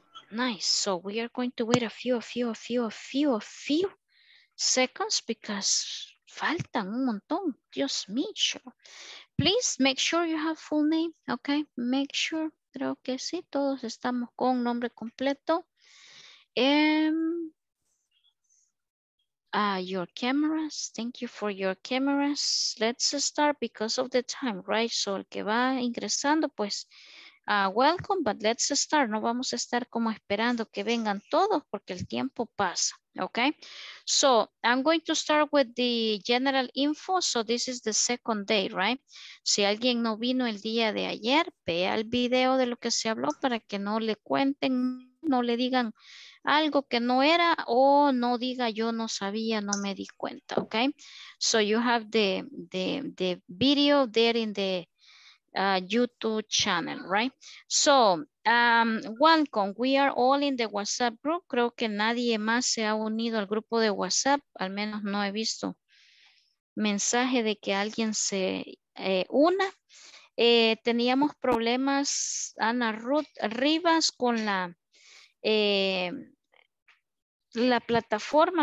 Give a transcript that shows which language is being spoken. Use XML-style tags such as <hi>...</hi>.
<en>Nice, so we are going to wait a few seconds because</en> <es>faltan un montón, Dios mío.</es> <en>Please make sure you have full name, okay? Make sure,</en> <es>creo que sí, todos estamos con nombre completo.</es> <en>Your cameras, thank you for your cameras. Let's start because of the time, right? So</en> <es>el que va ingresando, pues...</es> <en>welcome, but let's start.</en> <es>No vamos a estar como esperando que vengan todos porque el tiempo pasa, okay?</es> <en>So I'm going to start with the general info. So this is the second day, right?</en> <es>Si alguien no vino el día de ayer, vea el video de lo que se habló para que no le cuenten, no le digan algo que no era o no diga yo no sabía, no me di cuenta, okay?</es> <en>So you have the video there in the YouTube channel, right? So, welcome. We are all in the WhatsApp group.</en> <es>Creo que nadie más se ha unido al grupo de WhatsApp. Al menos no he visto mensaje de que alguien se una. Teníamos problemas, Ana Ruth Rivas, con la plataforma.</es>